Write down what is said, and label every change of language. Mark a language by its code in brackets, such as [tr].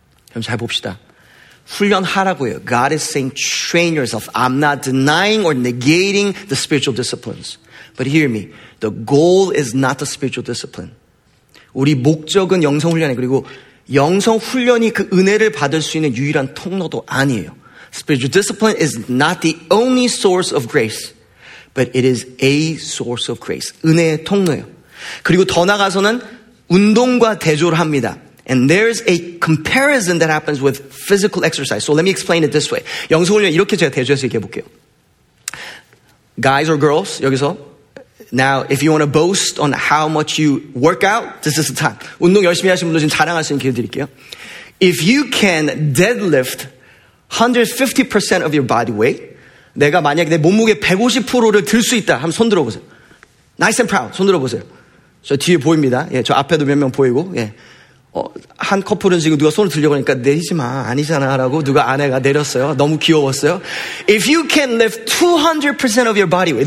[ko] 그럼 잘 봅시다. 훈련하라고요. [en] God is saying train yourself. I'm not denying or negating the spiritual disciplines. But hear me. The goal is not the spiritual discipline. [ko] 우리 목적은 영성훈련이 그리고 영성훈련이 그 은혜를 받을 수 있는 유일한 통로도 아니에요. [en] Spiritual discipline is not the only source of grace, but it is a source of grace. [ko] 은혜의 통로예요. 그리고 더 나아가서는 운동과 대조를 합니다. [en] And there's a comparison that happens with physical exercise. So let me explain it this way. [ko] 영성훈련 이렇게 제가 대조해서 얘기해 볼게요. [en] Guys or girls, [ko] 여기서. [en] Now, if you want to boast on how much you work out, this is the time. [ko] 운동 열심히 하신 분들 지금 자랑할 수 있는 기회 드릴게요. [en] If you can deadlift 150% of your body weight, [ko] 내가 만약에 내 몸무게 150%를 들 수 있다, 한번 손 들어보세요. [en] Nice and proud. [ko] 손 들어보세요. 저 뒤에 보입니다. 예, 저 앞에도 몇 명 보이고, 예. 한 커플은 지금 누가 손을 들려고 하니까 내리지 마. 아니잖아. 라고 누가 아내가 내렸어요. 너무 귀여웠어요. [en] If you can lift 200% of your body weight.